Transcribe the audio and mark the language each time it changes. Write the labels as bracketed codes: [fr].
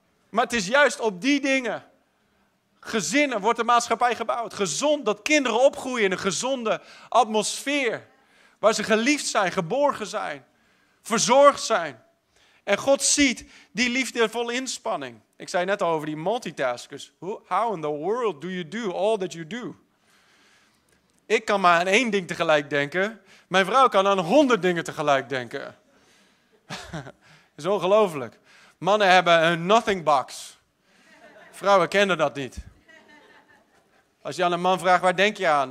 [nl] Maar het is juist op die dingen. Gezinnen wordt de maatschappij gebouwd. Gezond, dat kinderen opgroeien in een gezonde atmosfeer. Waar ze geliefd zijn, geborgen zijn, verzorgd zijn. En God ziet die liefdevolle inspanning. Ik zei net al over die multitaskers. [en] How in the world do you do all that you do? [nl] Ik kan maar aan één ding tegelijk denken. Mijn vrouw kan aan 100 dingen tegelijk denken. Dat is ongelooflijk. Mannen hebben een [en] nothing box. [nl] Vrouwen kennen dat niet. Als je aan een man vraagt, waar denk je aan?